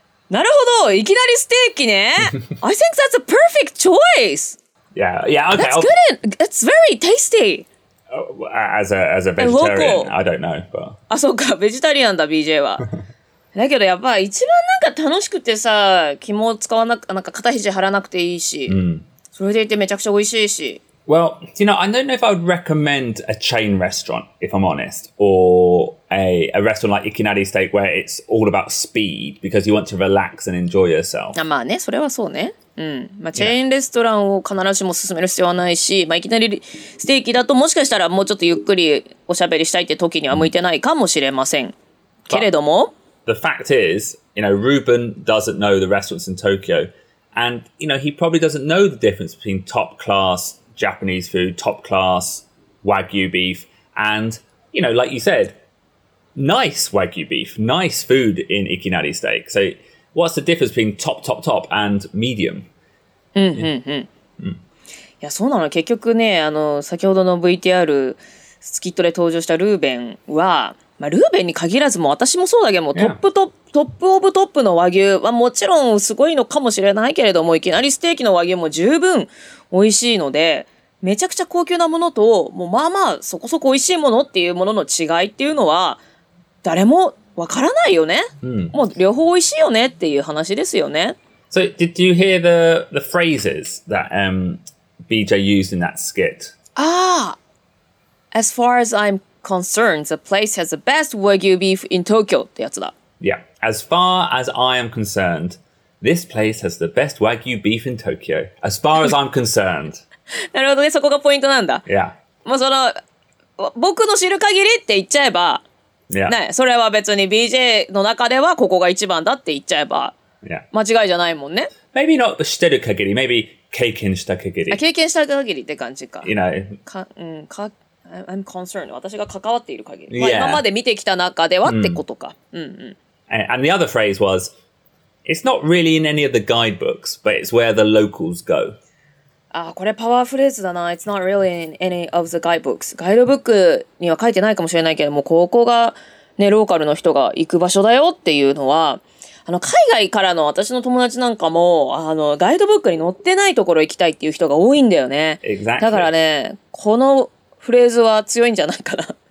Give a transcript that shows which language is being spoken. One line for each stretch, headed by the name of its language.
Japanese: なるほど、いきなりステーキね。
English: I think that's a perfect choice. Yeah, okay. That's good. It's very tasty. As a vegetarian, I don't know. But...
Japanese: あ、そうか、ベジタリアンだ、BJ は。だけどやっぱ一番なんか楽しくてさ、肝を使わなく、なんか肩肘張らなくていいし、それでいてめちゃくちゃ美味しいし。
English: Well, you know, I don't know if I would recommend a chain restaurant, if I'm honest, or a restaurant like Ikinari Steak where it's all about speed because you want to relax and enjoy yourself.
Japanese: あ、まあね、それはそうね。まあ、チェーンレストランを必ずしも勧める必要はないし、まあ、いきなりステーキだともしかしたらもうちょっとゆっくりおしゃべりしたいって時には向いてないかもしれません。けれども、
English: The fact is, you know, Ruben doesn't know the restaurants in Tokyo, and, you know, he probably doesn't know the difference between top class Japanese food, top class Wagyu beef, and, you know, like you said, nice Wagyu beef, nice food in Ikinari Steak. So what's the difference between top, top, top and medium?
Japanese: いや、そうなの。結局ね、あの、先ほどの VTR スキットで登場したルーベンは、まあ、ルーベンに限らずも私もそうだけども、トップオブトップの和牛はもちろんすごいのかもしれないけれども、いきなりステーキの和牛も十分美味しいので、めちゃくちゃ高級なものと、もうまあまあそこそこ美味しいものっていうものの違いっていうのは、誰もわからないよね。もう両方美味しいよねっていう話ですよね。
English: So, did you hear the phrases that, BJ used in that skit? As far as I'm concerned, the place has the best Wagyu beef in Tokyo
Japanese: ってやつだ。
English: Yeah, as far as I am concerned, this place has the best Wagyu beef in Tokyo. As far as I'm concerned.
Japanese: なるほどね、そこがポイントなんだ。
English: Yeah.
Japanese: もうその、僕の知る限りって言っちゃえば、
English: yeah.
Japanese: ね、それは別に BJ の中ではここが一番だって言っちゃえば、
English: yeah.
Japanese: 間違いじゃないもんね。
English: Maybe not
Japanese: 知ってる限り、
English: maybe
Japanese: 経験した限り。あ、経験した限りって感じか。
English: You know. I'm concerned.
Japanese: 私が関わっている限り。
English: Yeah.
Japanese: まあ、今まで見てきた中ではってことか。
English: And the other phrase was, it's not really in any of the guidebooks, but it's where the locals go.
Japanese: Ah, これパワーフレーズだな。
English: It's not really in any of the guidebooks.
Japanese: ガイドブックには書いてないかもしれないけども、ここがね、ローカルの人が行く場所だよっていうのは、あの、海外からの私の友達なんかも、あの、ガイドブックに載ってないところ行きたいっていう人が多いんだよね。
English: Exactly.
Japanese: だからね、このフレーズは強いんじゃないかな。